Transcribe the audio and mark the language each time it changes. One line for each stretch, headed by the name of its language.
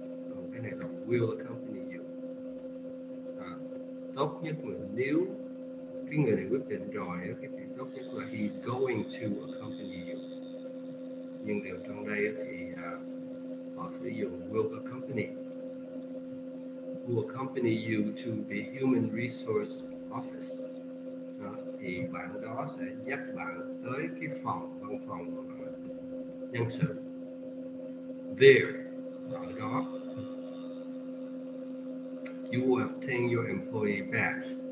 Vietnamese: Còn cái này là
English: will accompany you.
Vietnamese: Tốt nhất là nếu cái người này quyết định rồi, cái chuyện tốt nhất là
English: he's going to accompany you.
Vietnamese: Nhưng điều trong đây thì họ sử dụng
English: will accompany. Will accompany you to the human resource office.
Vietnamese: Thì bạn đó sẽ dắt bạn tới cái phòng văn phòng nhân sự.
English: There,
Vietnamese: ở đó,
English: you will obtain your employee badge.